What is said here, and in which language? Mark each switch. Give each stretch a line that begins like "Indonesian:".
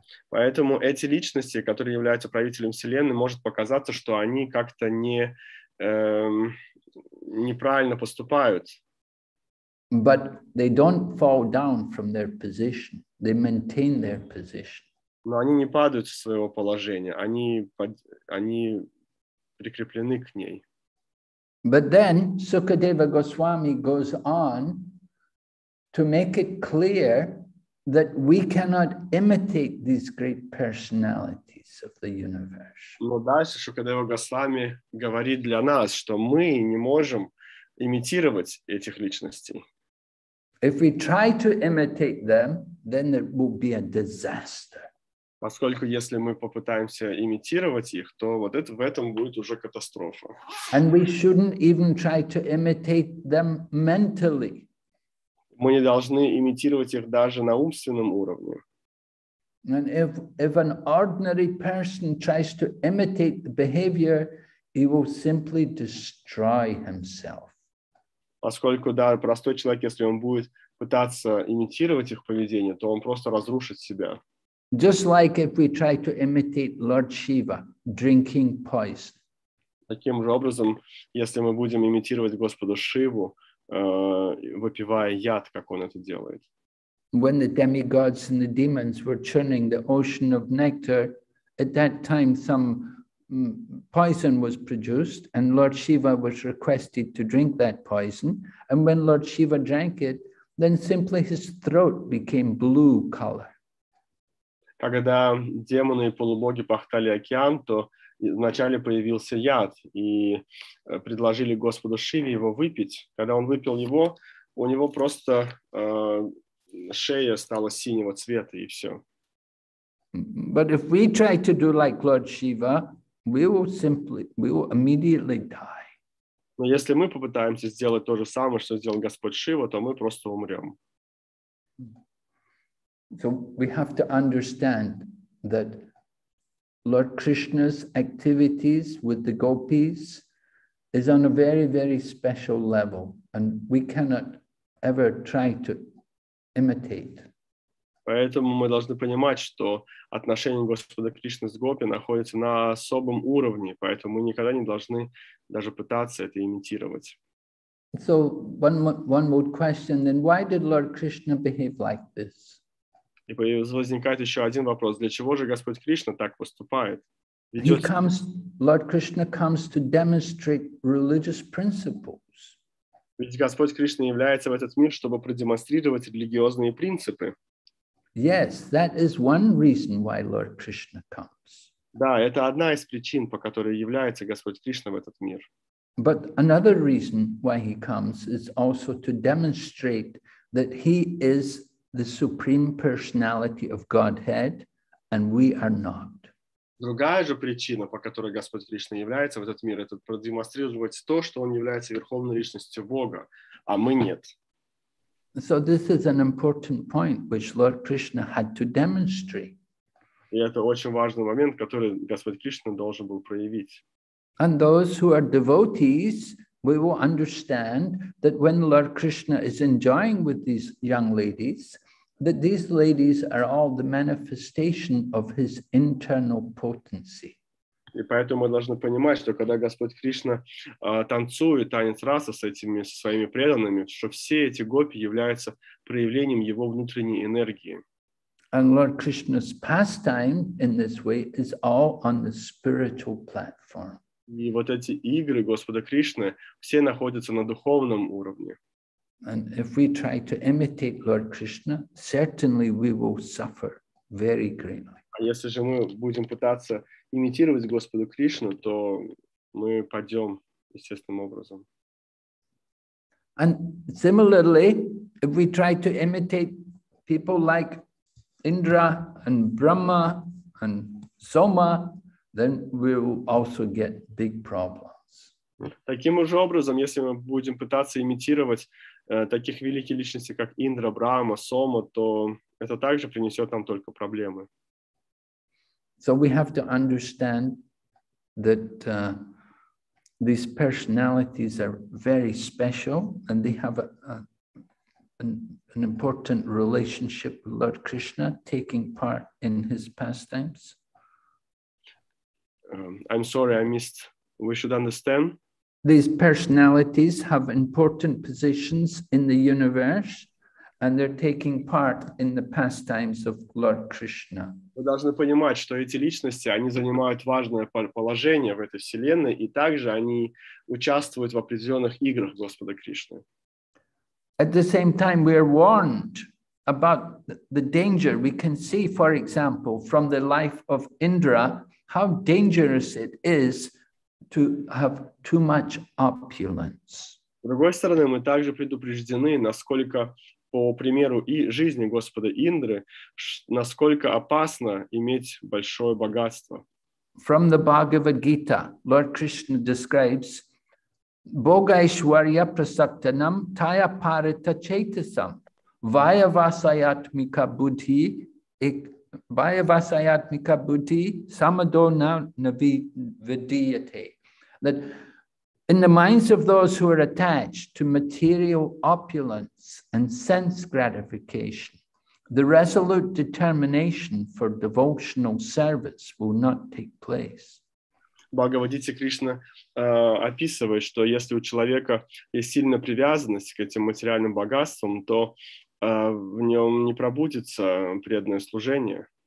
Russian: Поэтому эти личности, которые являются правителем Вселенной, может показаться, что они как-то неправильно поступают.
English: But they don't fall down from their position. They maintain their position.
Russian: Но они не падают со своего положения. Они прикреплены к ней.
English: But then Sukadeva Goswami goes on to make it clear that we cannot imitate these great personalities of the universe.
Russian: Но дальше Шукадева Госвами говорит для нас, что мы не можем имитировать этих личностей.
English: If we try to imitate them, then it will be a disaster.
Russian: Поскольку если мы попытаемся имитировать их, то вот это в этом будет уже катастрофа.
English: And we shouldn't even try to imitate them mentally.
Russian: Мы не должны имитировать их даже на умственном уровне.
English: And if an ordinary person tries to imitate the behavior, he will simply destroy himself.
Russian: Поскольку, да, простой человек, если он будет пытаться имитировать их поведение, то он просто разрушит себя.
English: Just like if we try to imitate Lord Shiva drinking poison.
Russian: Таким же образом, если мы будем имитировать Господа Шиву, выпивая яд, как он это делает.
English: When the demigods and the demons were churning the ocean of nectar, at that time some poison was produced, and Lord Shiva was requested to drink that poison. And when Lord Shiva drank it, then simply his throat became blue color.
Russian: Когда демоны и полубоги пахтали океан, то вначале появился яд, и предложили Господу Шиве его выпить. Когда он выпил его, у него просто шея стала синего цвета, и все.
English: But if we try to do like Lord Shiva, we will immediately die.
Russian: Но если мы попытаемся сделать то же самое, что сделал Господь Шива, то мы просто умрем.
English: So we have to understand that Lord Krishna's activities with the gopis is on a very, very special level, and we cannot ever try to imitate.
Russian: Поэтому мы должны понимать, что отношения Господа Кришны с Гопи находятся на особом уровне, поэтому мы никогда не должны даже пытаться это имитировать.
English: So one would question, then why did Lord Krishna behave like this?
Russian: И возникает еще один вопрос: для чего же Господь Кришна так поступает?
English: Lord Krishna comes to demonstrate religious principles.
Russian: Ведь Господь Кришна является в этот мир, чтобы продемонстрировать религиозные принципы.
English: Yes, that is one reason why Lord Krishna comes.
Russian: Да, это одна из причин, по которой является Господь Кришна в этот мир.
English: But another reason why he comes is also to demonstrate that he is the supreme personality of Godhead, and we are not.
Russian: Другая же причина, по которой Господь Кришна является в этот мир, это продемонстрировать то, что он является верховной личностью Бога, а мы нет.
English: So this is an important point which Lord Krishna had to demonstrate.
Russian: И это очень важный момент, который Господь Кришна должен был проявить.
English: And those who are devotees, we will understand that when Lord Krishna is enjoying with these young ladies, that these ladies are all the manifestation of his internal potency.
Russian: И поэтому мы должны понимать, что когда Господь Кришна танцует танец раса с этими со своими преданными, что все эти гопи являются проявлением его внутренней энергии.
English: And Lord Krishna's pastime in this way is all on the spiritual platform.
Russian: И вот эти игры Господа Кришны все находятся на духовном уровне.
English: And if we try to imitate Lord Krishna, certainly we will suffer very greatly.
Russian: А если же мы будем пытаться имитировать Господа Кришну, то мы падем естественным образом.
English: And similarly, if we try to imitate people like Indra and Brahma and Soma, then we will also get big problems.
Russian: Таким же образом, если мы будем пытаться имитировать таких великих личностей, как Индра, Брахма, Сома, то это также принесет нам только проблемы.
English: So we have to understand that these personalities are very special and they have an important relationship with Lord Krishna taking part in his pastimes. I'm sorry, I missed. We should understand. These personalities have important positions in the universe, and they're taking part in the pastimes of Lord Krishna.
Russian: Мы должны понимать, что эти личности, они занимают важное положение в этой вселенной, и также они участвуют в определенных играх Господа Кришны.
English: At the same time, we are warned about the danger we can see, for example, from the life of Indra, how dangerous it is to have too much opulence.
Russian: С другой стороны, мы также предупреждены, насколько, по примеру и жизни Господа Индры, насколько опасно иметь большое богатство.
English: From the Bhagavad Gita, Lord Krishna describes
Sanskrit: Bhogaishwarya prasaktanam taya parita chaitasam vayavasayatmika buddhi ek Vayavasayatmika buddhi samado na navi vidyate.
English: That in the minds of those who are attached to material opulence and sense gratification, the resolute determination for devotional service will not take place.
Russian: Бхагавадити Кришна описывает, что если у человека есть сильная привязанность к этим материальным богатствам, то в нем не пробудится преданное служение.